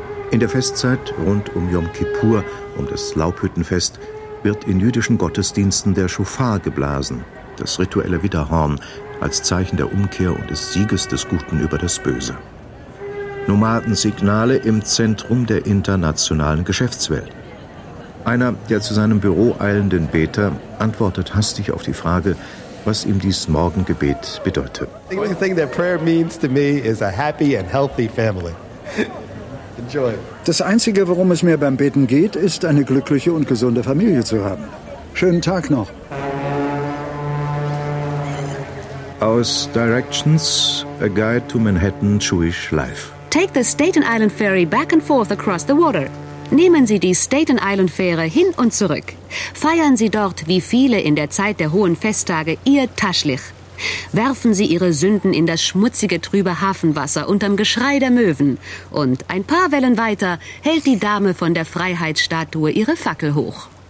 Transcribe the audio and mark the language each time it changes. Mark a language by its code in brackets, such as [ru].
[de] In der Festzeit rund um Yom Kippur, um das Laubhüttenfest, wird in jüdischen Gottesdiensten der Shofar geblasen, das rituelle Widderhorn, als Zeichen der Umkehr und des Sieges des Guten über das Böse. Nomadensignale im Zentrum der internationalen Geschäftswelt. Einer der zu seinem Büro eilenden Beter antwortet hastig auf die Frage, was ihm dies Morgengebet bedeute. [en] The thing that prayer means to me is a happy and healthy family. Enjoy. [de] Das Einzige, worum es mir beim Beten geht, ist eine glückliche und gesunde Familie zu haben. Schönen Tag noch. Aus Directions, A Guide to Manhattan Jewish Life. [en] Take the Staten Island Ferry back and forth across the water. [de] Nehmen Sie die Staten Island Fähre hin und zurück. Feiern Sie dort, wie viele in der Zeit der hohen Festtage, Ihr Taschlich. Werfen Sie Ihre Sünden in das schmutzige, trübe Hafenwasser unterm Geschrei der Möwen. Und ein paar Wellen weiter hält die Dame von der Freiheitsstatue ihre Fackel hoch.